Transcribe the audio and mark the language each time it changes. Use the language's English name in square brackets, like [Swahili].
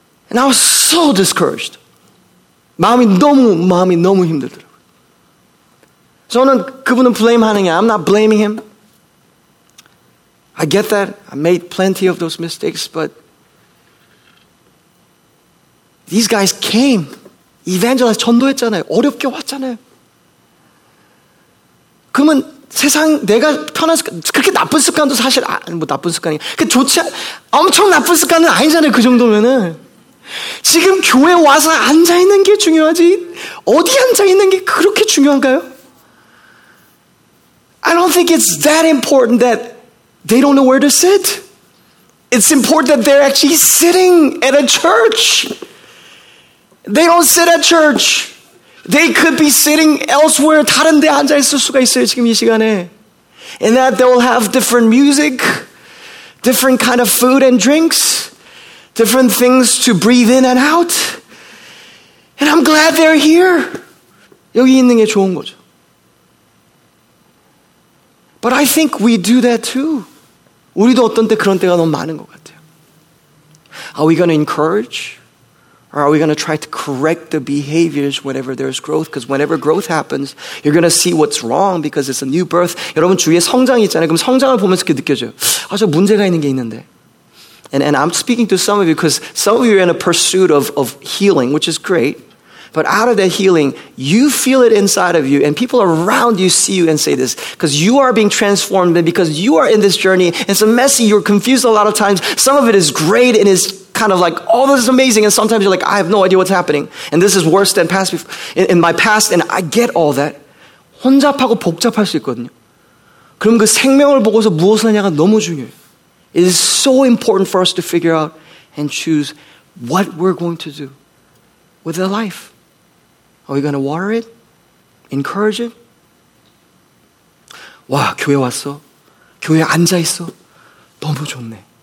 [English] And I was so discouraged. [Korean] 마음이 너무 힘들더라고요. 저는 그분은 blame하는 게 [English] I'm not blaming him. I get that. I made plenty of those mistakes, but these guys came. [Korean] Evangelize, 전도했잖아요. 어렵게 왔잖아요. 그러면 세상 내가 편한 습관, 그렇게 나쁜 습관도 사실 뭐 나쁜 습관이 그 좋지 엄청 나쁜 습관은 아니잖아요. 그 정도면은. 지금 교회 와서 앉아있는 게 중요하지 어디 앉아있는 게 그렇게 중요한가요? [English] I don't think it's that important that they don't know where to sit. It's important that they're actually sitting at a church. They don't sit at church. They could be sitting elsewhere [Korean] 다른 데 앉아있을 수가 있어요 지금 이 시간에. [English] in that they'll have different music, different kind of food and drinks, different things to breathe in and out. And I'm glad they're here. [Korean] 여기 있는 게 좋은 거죠. [English] But I think we do that too. [Korean] 우리도 어떤 때 그런 때가 너무 많은 것 같아요. [English] Are we going to encourage? Or are we going to try to correct the behaviors whenever there's growth? Because whenever growth happens, you're going to see what's wrong because it's a new birth. [Korean] 여러분 주위에 성장이 있잖아요. 그럼 성장을 보면서 그렇게 느껴져요. 아, 저 문제가 있는 게 있는데. [English] And I'm speaking to some of you because some of you are in a pursuit of healing, which is great. But out of that healing, you feel it inside of you. And people around you see you and say this. Because you are being transformed. And because you are in this journey, it's a messy. You're confused a lot of times. Some of it is great and is kind of like, oh, this is amazing. And sometimes you're like, I have no idea what's happening. And this is worse than past in my past. And I get all that. [Korean] 혼잡하고 복잡할 수 있거든요. 그럼 그 생명을 보고서 무엇을 하냐가 너무 중요해요. [English] It is so important for us to figure out and choose what we're going to do with our life. Are we going to water it? Encourage it? [Korean] 와, 교회 왔어. 교회에 앉아 있어. 너무 좋네.